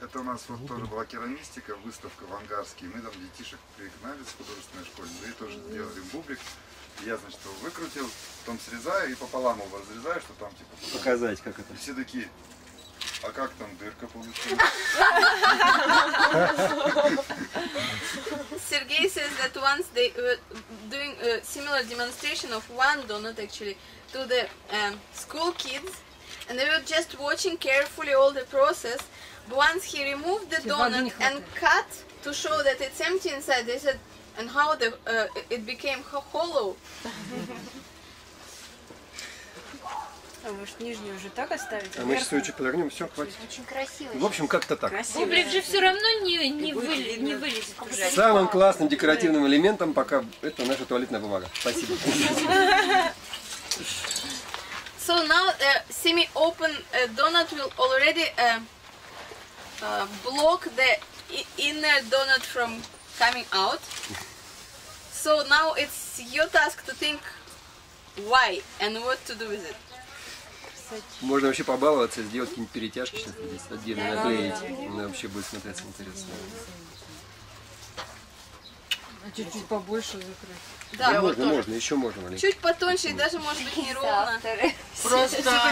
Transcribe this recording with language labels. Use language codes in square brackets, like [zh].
[ru] Это у нас вот тоже была керамистика, выставка в Ангарске. Мы там детишек пригнали с художественной школы, мы тоже сделали бублик. Я, значит, его выкрутил, потом срезаю и пополам его разрезаю, чтобы там типа... Показать, как это. Все такие... А как там дырка получилась? [en] Сергей says that once they were doing a similar demonstration of one donut actually to the school kids, and they were just watching carefully all the process. But once he removed the donut and cut to show that it's empty inside, they said, and how the it became hollow. [ru] А может нижнюю уже так оставить? А мы сейчас сучек подогнем, все, хватит. Очень красиво. В общем, как-то так. Красиво. Бублик же все равно не вылезет. Самым классным декоративным элементом пока это наша туалетная бумага. Спасибо. [en] So now the semi-open donut will already block the inner donut from coming out. So now it's your task to think why and what to do with it. [ru] Можно вообще побаловаться и сделать какие-нибудь перетяжки сейчас здесь отдельно наклеить. Она вообще будет смотреться интересно. А чуть-чуть побольше закрыть. Да, да вот можно, тоже. Можно, еще можно. Чуть маленько. Потоньше и даже может быть неровно. Просто